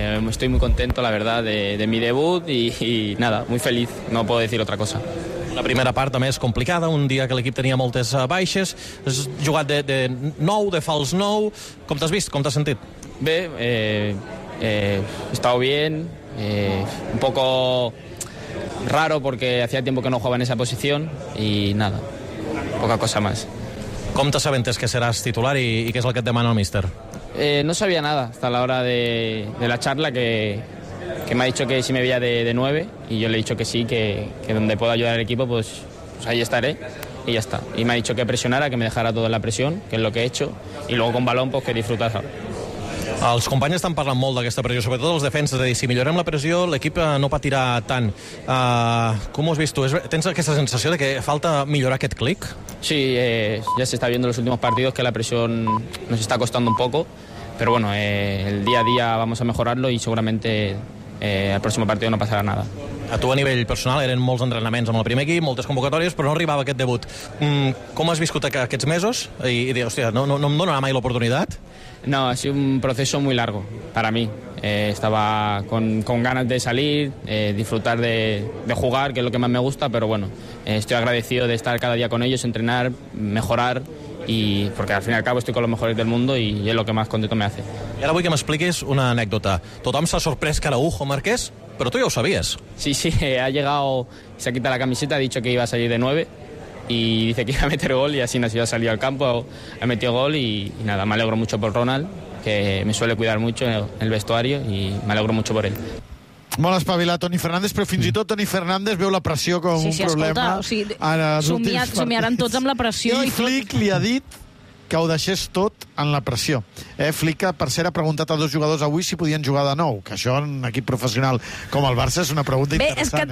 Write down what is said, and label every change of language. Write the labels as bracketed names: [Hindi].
[Spanish] Estoy muy contento, la verdad, de mi debut y nada, muy feliz, no puedo decir otra cosa. [Catalan] La primera part també és complicada, un dia que l'equip tenia moltes baixes, has jugat de nou, de fals nou, com t'has vist, com t'has sentit? [Spanish] Bé, he estado bien, un poco raro porque hacía tiempo que no jugaba en esa posición y nada, poca cosa más. [Catalan] Com te sabentes que seràs titular i què és el que et demana el míster? [Spanish] No sabía nada hasta la hora de la charla que me ha dicho que si me veía de 9 y yo le he dicho que sí, que donde pueda ayudar al equipo pues ahí estaré y ya está. Y me ha dicho que presionara, que me dejara toda la presión, que es lo que he hecho, y luego con balón pues que disfrutara. [Catalan] Els companys estan parlant molt d'aquesta pressió, sobretot els defenses, de dir, si millorem la pressió, l'equip no patirà tant. Com ho has vist tu? Tens aquesta sensació de que falta millorar aquest clic? [Spanish] Sí, ya se está viendo en los últimos partidos que la presión nos está costando un poco, pero bueno, el día a día vamos a mejorarlo y seguramente el próximo partido no pasará nada. [Catalan] A tu a nivell personal eren molts entrenaments amb el primer equip, moltes convocatòries, però no arribava aquest debut. Com has viscut aquests mesos? I dir, hòstia, no em donarà mai l'oportunitat? [Spanish] No, ha sido un proceso muy largo para mí. Estaba con ganas de salir, disfrutar de jugar, que es lo que más me gusta, pero bueno, estoy agradecido de estar cada día con ellos, entrenar, mejorar, y porque al fin y al cabo estoy con los mejores del mundo y es lo que más contento me hace. Y ahora voy que me expliques una anécdota. [Catalan] Tothom s'ha sorprès que Araújo marqués, [Spanish] pero tú ya lo sabías. Sí, sí, ha llegado, se ha quitado la camiseta, ha dicho que iba a salir de 9. Y dice que iba a meter gol y así nació, ha salido al campo, ha metido gol y nada, me alegro mucho por Ronald, que me suele cuidar mucho en el vestuario y me alegro mucho por él. [Catalan] Molt espavilat, Toni Fernández, però fins i tot Toni Fernández veu la pressió com un problema. Somiaran tots amb la pressió. I Flick li ha dit que ho deixés tot en la pressió. Flick, per cert, ha preguntat a dos jugadors avui si podien jugar de nou, que això en un equip professional com el Barça és una pregunta interessant.